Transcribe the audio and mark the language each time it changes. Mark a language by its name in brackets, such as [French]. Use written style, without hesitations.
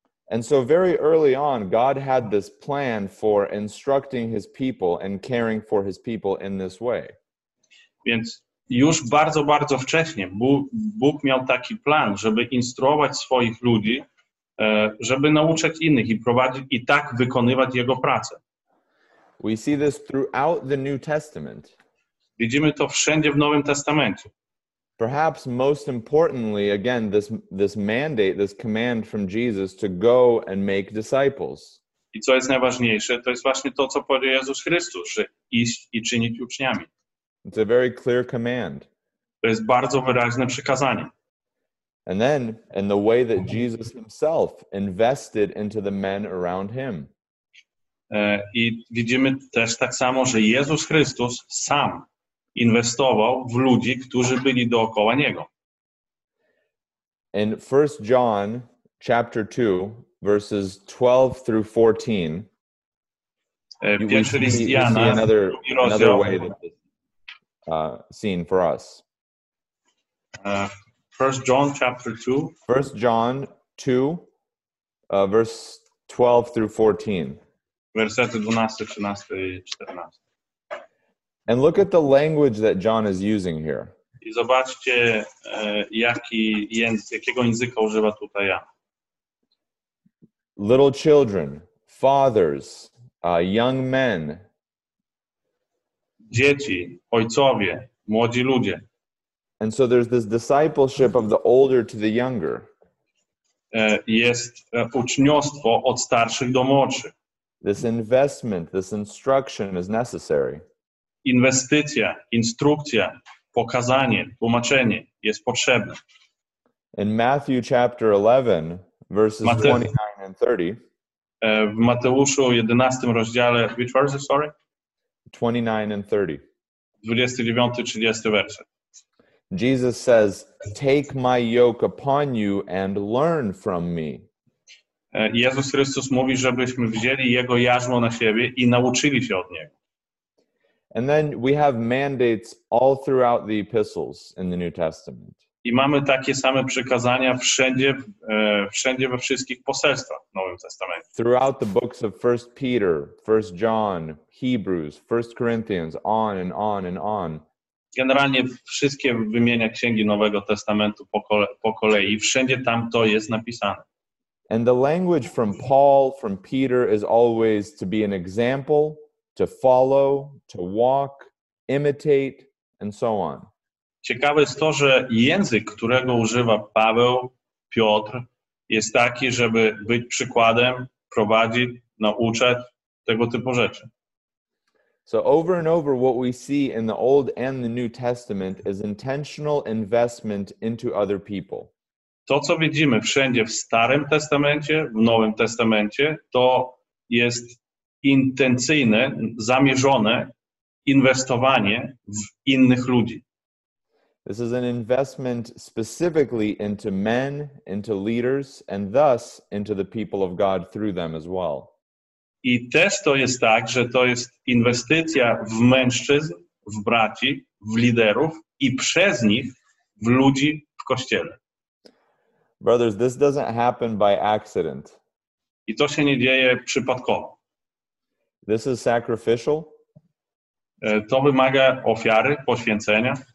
[English] And so very early on, God had this plan for instructing his people and caring for his people in this way. [Polish] Więc już bardzo, bardzo wcześnie Bóg miał taki plan, żeby instruować swoich ludzi, żeby nauczać innych i prowadzić i tak wykonywać jego pracę. [English] We see this throughout the New Testament. [Polish] Widzimy to wszędzie w Nowym Testamencie. [English] Perhaps most importantly, again, this mandate, this command from Jesus to go and make disciples. [Polish] I co jest najważniejsze, to jest właśnie to, co powiedział Jezus Chrystus, że iść i czynić uczniami. [English] It's a very clear command. [Polish] To jest bardzo wyraźne przykazanie. [English] And then, in the way that Jesus himself invested into the men around him. [Polish] I widzimy też tak samo, że Jezus Chrystus sam inwestował w ludzi, którzy byli dookoła Niego. [English] In 1 John chapter 2, verses 12 through 14, [Polish] Pierwszy list Jana, drugi rozdział, [English] scene for us. First John chapter 2. First John 2, verse 12 through 14. [Polish] Wersety 12, 13 i 14. [English] And look at the language that John is using here. [Polish] I zobaczcie, jakiego języka używa tutaj Jan. [English] Little children, fathers, young men. [Polish] Dzieci, ojcowie, młodzi ludzie. [English] And so there's this discipleship of the older to the younger. [Polish] Jest uczniostwo od starszych do młodszych. [English] This investment, this instruction is necessary. [Polish] Inwestycja, instrukcja, pokazanie, tłumaczenie jest potrzebne. [English] In Matthew chapter 11, verses 29 and 30. [Polish] W Mateuszu 11 rozdziale, [English] which verses, sorry? 29 and 30. [Polish] 29, 30 werset. [English] Jesus says, take my yoke upon you and learn from me. [Polish] Jezus Chrystus mówi, żebyśmy wzięli Jego jarzmo na siebie i nauczyli się od Niego. [English] And then we have mandates all throughout the epistles in the New Testament. [Polish] I mamy takie same przykazania wszędzie we wszystkich poselstwach w Nowym Testamencie. [English] Throughout the books of 1 Peter, 1 John, Hebrews, 1 Corinthians, on and on and on. [Polish] Generalnie wszystkie wymienia księgi Nowego Testamentu po kolei, wszędzie tam to jest napisane. [English] And the language from Paul, from Peter is always to be an example, to follow, to walk, imitate, and so on. [Polish] Ciekawe jest to, że język, którego używa Paweł, Piotr, jest taki, żeby być przykładem, prowadzić, nauczać tego typu rzeczy. [English] So over and over what we see in the Old and the New Testament is intentional investment into other people. [Polish] To, co widzimy wszędzie w Starym Testamencie, w Nowym Testamencie, to jest intencyjne, zamierzone inwestowanie w innych ludzi. [English] This is an investment specifically into men, into leaders, and thus into the people of God through them as well. [Polish] I też to jest tak, że to jest inwestycja w mężczyzn, w braci, w liderów i przez nich w ludzi w Kościele. [English] Brothers, this doesn't happen by accident. [Polish] I to się nie dzieje przypadkowo. [English] This is sacrificial. [Polish] To wymaga ofiary, poświęcenia.